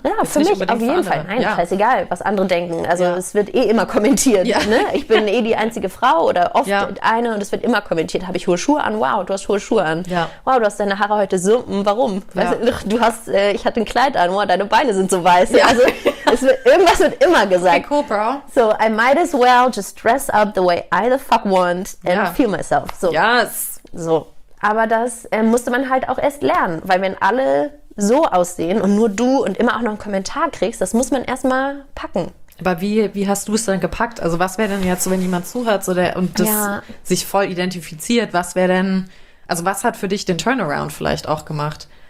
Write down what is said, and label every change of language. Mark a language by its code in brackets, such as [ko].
[de] Ja, jetzt für mich auf jeden Fall. Nein, ja. Scheißegal, was andere denken. Also ja. Es wird eh immer kommentiert. Ja. Ne? Ich bin eh die einzige Frau oder oft ja. eine und es wird immer kommentiert. Habe ich hohe Schuhe an? Wow, du hast hohe Schuhe an. Ja. Wow, du hast deine Haare heute so, warum? Ja. Weißt du, du hast, ich hatte ein Kleid an. Wow, deine Beine sind so weiß. Ja. Also es wird, irgendwas wird immer gesagt. [en] Okay, cool, bro. So, I might as well just dress up the way I the fuck want and ja. Feel myself. So. Yes. So. [de] Aber das musste man halt auch erst lernen, weil wenn alle so aussehen und nur du und immer auch noch einen Kommentar kriegst, das muss man erstmal packen. Aber wie hast du es dann gepackt? Also was wäre denn jetzt so, wenn jemand zuhört so der, und das ja. sich voll identifiziert, was wäre denn, also was hat für dich den Turnaround vielleicht auch gemacht?